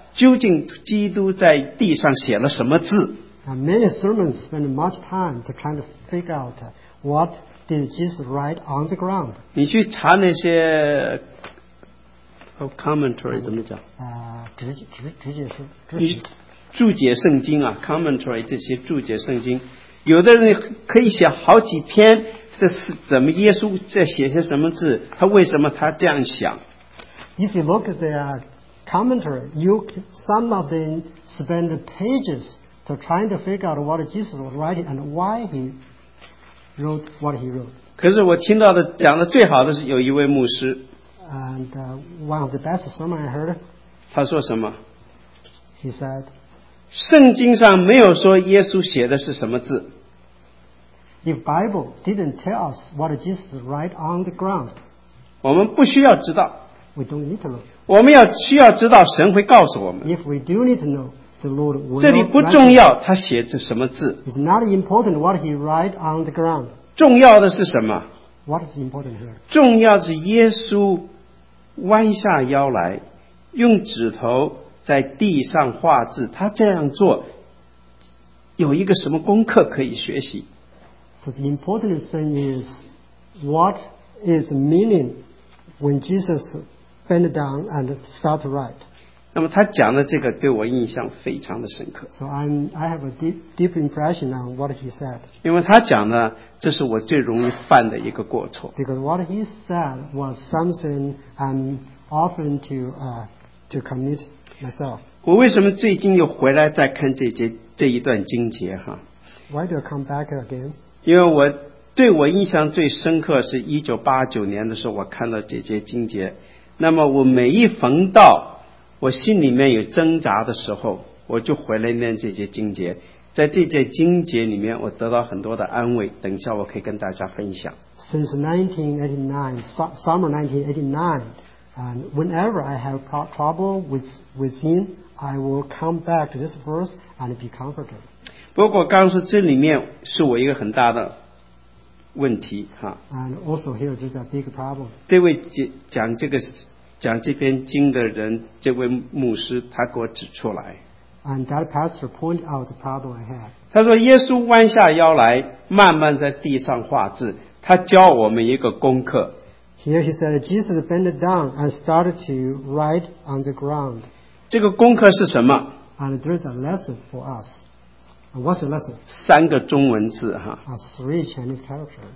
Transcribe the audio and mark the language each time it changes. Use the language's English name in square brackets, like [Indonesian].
[Chinese] 究竟基督在地上写了什么字 [English] ？Many sermons spend much time to try to figure out what did Jesus write on the ground. [Chinese] 你去查那些 commentary 怎么讲？注解注解圣经啊 ，commentary 这些注解圣经，有的人可以写好几篇，这是怎么耶稣在写些什么字？他为什么他这样想 [English] ？If you look at the commentary, you some of them spend pages to trying to figure out what Jesus was writing and why he wrote what he wrote. [Chinese] 可是我听到的讲的最好的是有一位牧师。 [English] And one of the best sermon I heard. [Chinese] 他说什么 [English] ？He said, [Chinese] 圣经上没有说耶稣写的是什么字。 [English] If Bible didn't tell us what Jesus wrote on the ground, [Chinese] 我们不需要知道。 [English] We don't need to know. [Chinese] 我们要需要知道神会告诉我们。 [English] If we do need to know, the Lord will write. [Chinese] 这里不重要，他写着什么字。 [English] It's not important what he write on the ground. [Chinese] 重要的是什么 [English] ？What is important here? [Chinese] 重要的是耶稣弯下腰来，用指头在地上画字。他这样做有一个什么功课可以学习 [English] ？So the important thing is what is meaning when Jesus. Bend down and start to write. [Chinese] 那么他讲的这个对我印象非常的深刻。 [English] So I have a deep impression on what he said. [Chinese] 因为他讲的这是我最容易犯的一个过错。 [English] Because what he said was something I'm often to commit myself. [Chinese] 我为什么最近又回来再看这节这一段经节哈 [English] ？Why do I come back again？ [Chinese] 因为我对我印象最深刻是1989年的时候，我看到这节经节。那么我每一逢到我心里面有挣扎的时候，我就回来念这节经节。在这节经节里面，我得到很多的安慰。等一下我可以跟大家分享。 [English] Since 1989, summer 1989, and whenever I have trouble within, I will come back to this verse and be comforted. [Chinese] 不过我刚说这里面是我一个很大的问题哈。 [English] And also here is a big problem. [Chinese] 这位讲这个讲这篇经的人，这位牧师，他给我指出来。 [English] And that pastor pointed out the problem I had. [Chinese] 他说耶稣弯下腰来慢慢在地上画字，他教我们一个功课。 [English] Here he said Jesus bent down and started to write on the ground. [Chinese] 这个功课是什么？ [English] And there is a lesson for us. What's the lesson? [Chinese] 三个中文字哈。 [English] Three Chinese characters.